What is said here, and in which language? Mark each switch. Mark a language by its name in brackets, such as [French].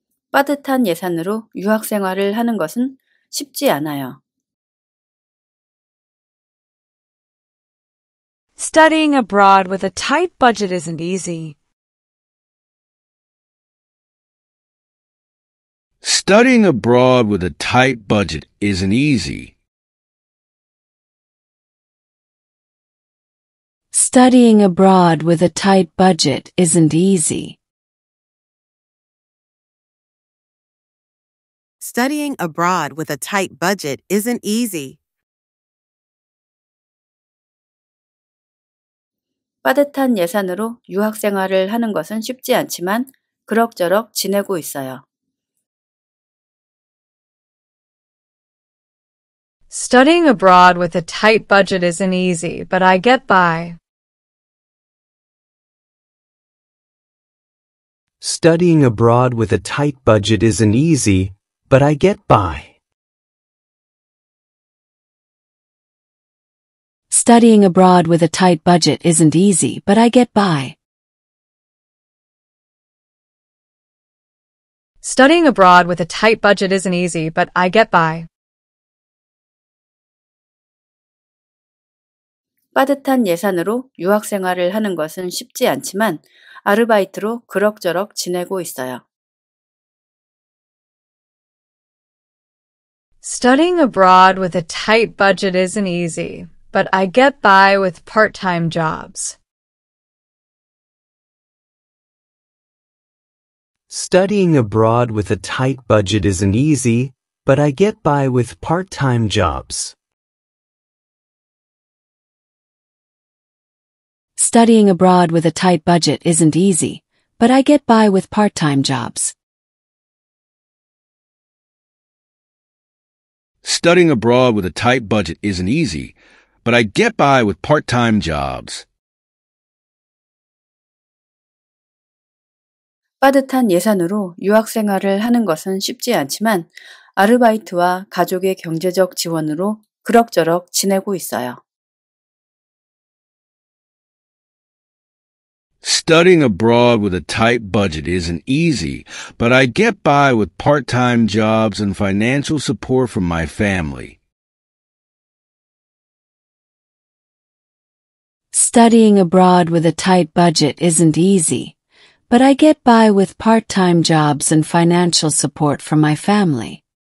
[Korean] 빠듯한 예산으로 유학 생활을 하는 것은 쉽지 않아요. [English] Studying abroad with a tight budget isn't easy. Studying abroad with a tight budget isn't easy. Studying abroad with a tight budget isn't easy. Studying abroad with a tight budget isn't easy. [Korean] 빠듯한 예산으로 유학 생활을 하는 것은 쉽지 않지만 그럭저럭 지내고 있어요. [English] Studying abroad with a tight budget isn't easy, but I get by. Studying abroad with a tight budget isn't easy, but I get by. Studying abroad with a tight budget isn't easy, but I get by. Studying abroad with a tight budget isn't easy, but I get by. [Korean] 빠듯한 예산으로 유학 생활을 하는 것은 쉽지 않지만 아르바이트로 그럭저럭 지내고 있어요. [English] Studying abroad with a tight budget isn't easy, but I get by with part-time jobs. Studying abroad with a tight budget isn't easy, but I get by with part-time jobs. Studying abroad with a tight budget isn't easy, but I get by with part-time jobs. Studying abroad with a tight budget isn't easy, but I get by with part-time jobs. [Korean] 빠듯한 예산으로 유학 생활을 하는 것은 쉽지 않지만 아르바이트와 가족의 경제적 지원으로 그럭저럭 지내고 있어요. [English] Studying abroad with a tight budget isn't easy, but I get by with part-time jobs and financial support from my family. Studying abroad with a tight budget isn't easy, but I get by with part-time jobs and financial support from my family.